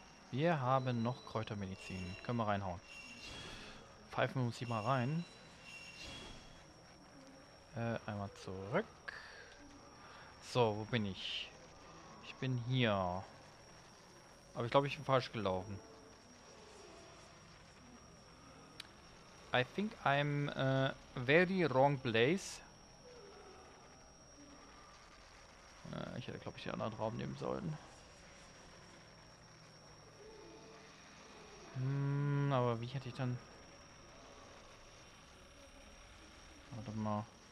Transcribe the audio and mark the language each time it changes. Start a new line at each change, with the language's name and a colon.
German: Wir haben noch Kräutermedizin. Können wir reinhauen. Pfeifen wir uns hier mal rein. Einmal zurück. So, wo bin ich? Ich bin hier. Aber ich glaube, ich bin falsch gelaufen.
English: I think I'm very wrong place.
German: Ich hätte, glaube ich, den anderen Raum nehmen sollen. Aber wie hätte ich dann... Warte mal.